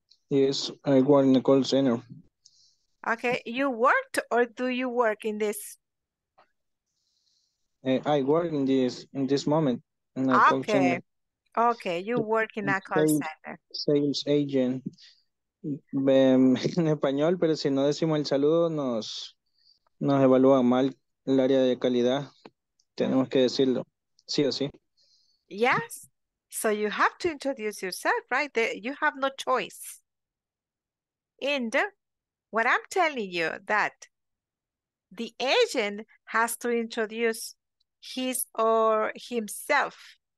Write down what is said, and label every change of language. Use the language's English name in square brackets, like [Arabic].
[English] Yes, I work in a call center. Okay, you worked or do you work in this? I work in this moment in a call center. Okay, you work in a call center. Sales agent. [Spanish] En español, pero si no decimos el saludo, nos evalúa mal el área de calidad. Tenemos que decirlo, sí o sí. [English] Yes, so you have to introduce yourself, right? You have no choice. And what I'm telling you, that the agent has to introduce his or himself.